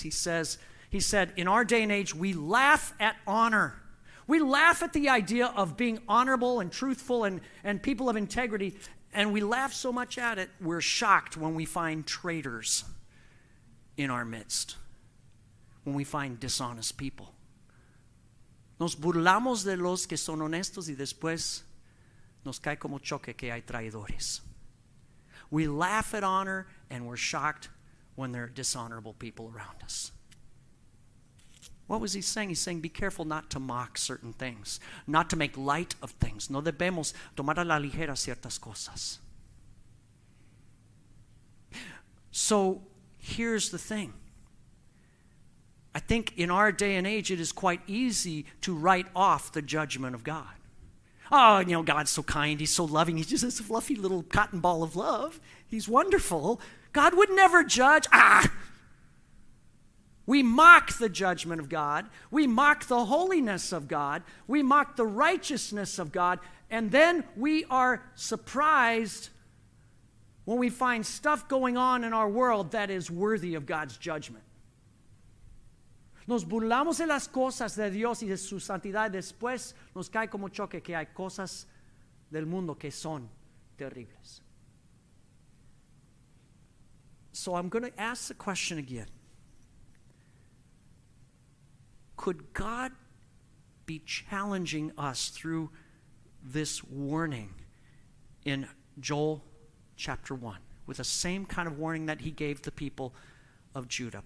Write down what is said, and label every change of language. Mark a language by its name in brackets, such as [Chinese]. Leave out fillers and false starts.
[English] He said, in our day and age, we laugh at honor. We laugh at the idea of being honorable and truthful and people of integrity. And we laugh so much at it, we're shocked when we find traitors in our midst, when we find dishonest people. [Spanish] Nos burlamos de los que son honestos y después nos cae como choque que hay traidores. [English] We laugh at honor and we're shocked when there are dishonorable people around us. What was he saying? He's saying, be careful not to mock certain things, not to make light of things. [Spanish] No debemos tomar a la ligera ciertas cosas. [English] So here's the thing. I think in our day and age, it is quite easy to write off the judgment of God. Oh, you know, God's so kind. He's so loving. He's just this fluffy little cotton ball of love. He's wonderful. God would never judge. We mock the judgment of God. We mock the holiness of God. We mock the righteousness of God. And then we are surprised when we find stuff going on in our world that is worthy of God's judgment. [Spanish] Nos burlamos de las cosas de Dios y de su santidad. Después nos cae como choque que hay cosas del mundo que son terribles. [English] So I'm going to ask the question again. Could God be challenging us through this warning in Joel chapter 1 with the same kind of warning that he gave the people of Judah?